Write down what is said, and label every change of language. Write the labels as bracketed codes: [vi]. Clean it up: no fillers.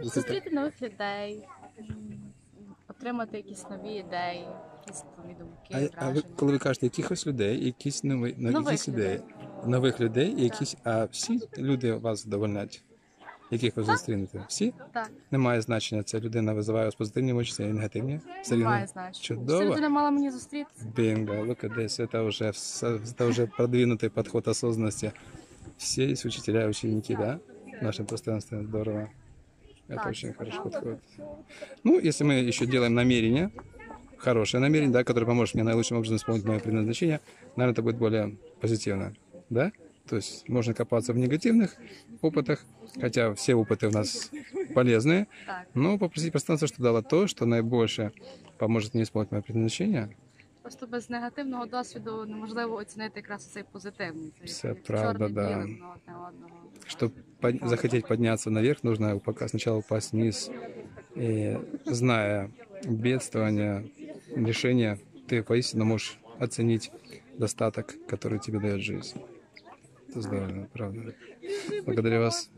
[uk] Зустріти нових людей, отримати якісь нові ідеї, якісь нові думки, враження. А ви, коли ви кажете якихось людей, якісь нові, нових ідеї, нових людей, якісь, а всі люди вас задовольнять, яких ви зустрінете? Всі? Так. Немає значення, ця людина визиває вас позитивні емоції, чи негативні? Немає значення. Чудово. Ця людина мала мені зустріти. Бінго, [en] look at this, [uk] це вже продвинутий підхід осознанності. [ru] Все есть учителя, ученики, да? В нашем пространстве здорово. Это так, очень хорошо подходит. Ну, если мы еще делаем намерение, хорошее намерение, да, которое поможет мне наилучшим образом исполнить мое предназначение, наверное, это будет более позитивно, да? То есть можно копаться в негативных опытах, хотя все опыты у нас полезные, но попросить пространство, чтобы дало то, что наибольше поможет мне исполнить мое предназначение. [uk] Просто без негативного досвіду неможливо оцінити якраз цей позитивний. [ru] Все правда, да. [uk] Щоб захотіти піднятися наверх, потрібно поки спочатку впасти вниз. І зная бідствування, рішення, ти поїстину можеш оцінити достаток, який тобі дає життя. Це здорово, правда. [ru] Благодарю вас.